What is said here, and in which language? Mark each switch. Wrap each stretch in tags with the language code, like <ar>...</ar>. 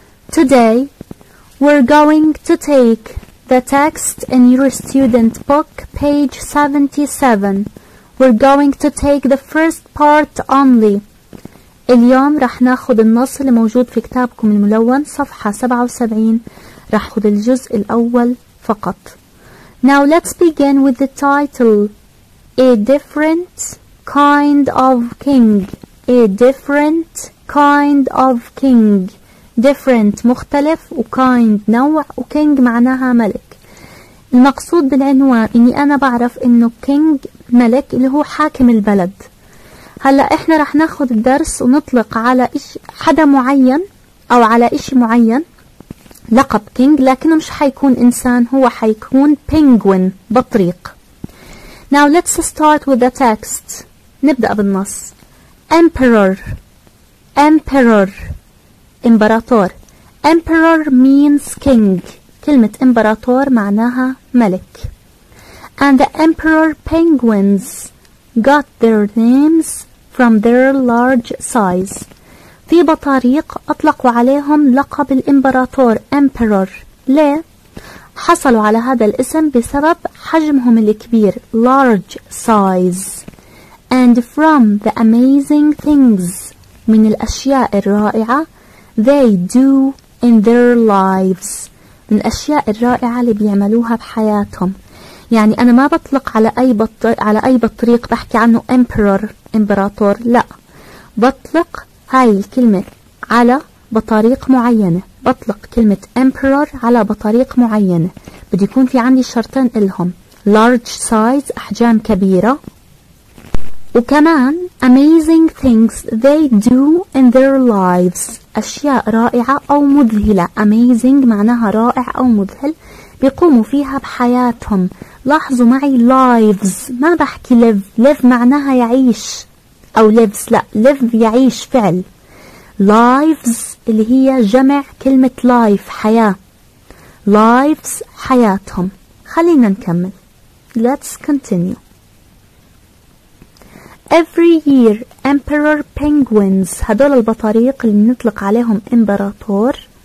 <en>Today, we're going to take the text in your student book, page 77. We're going to take the first part only.</en> <ar>اليوم رح ناخد النص اللي موجود في كتابكم الملون صفحة 77 رح خد الجزء الأول فقط.</ar> <en>Now let's begin with the title, A Different Kind of King. A Different Kind of King.</en> <ar>Different مختلف وkind نوع وking معناها ملك. المقصود بالعنوان إني أنا بعرف إنه king ملك اللي هو حاكم البلد. هلأ إحنا رح ناخد الدرس ونطلق على حدا معين أو على إشي معين لقب كينج لكنه مش حيكون إنسان هو حيكون بينجوين بطريق.</ar> <en>Now let's start with the text.</en> <ar>نبدأ بالنص.</ar> <en>Emperor. Emperor. إمبراطور. Emperor means king.</en> <ar>كلمة إمبراطور معناها ملك.</ar> <en>And the emperor penguins got their names from their large size.</en> <ar>في بطاريق أطلقوا عليهم لقب الإمبراطور Emperor. ليه؟ حصلوا على هذا الاسم بسبب حجمهم الكبير Large size.</ar> <en>And from the amazing things</en> <ar>من الأشياء الرائعة</ar> <en>They do in their lives.</en> <ar>من الأشياء الرائعة اللي بيعملوها بحياتهم. يعني أنا ما بطلق على أي بطريق بحكي عنه Emperor إمبراطور. لا بطلق هاي الكلمة على بطريق معينة. بطلق كلمة emperor على بطريق معينة. بدي يكون في عندي شرطين إلهم. Large size أحجام كبيرة.</ar> <en>وكمان amazing things they do in their lives.</en> <ar>أشياء رائعة أو مذهلة. Amazing معناها رائع أو مذهل. بيقوموا فيها بحياتهم. لاحظوا معي lives. ما بحكي live. Live معناها يعيش. أو lives لا live يعيش فعل lives اللي هي جمع كلمة life حياة lives حياتهم خلينا نكمل</ar> <en>let's continue every year emperor penguins</en> <ar>هدول البطاريق اللي نطلق عليهم إمبراطور</ar>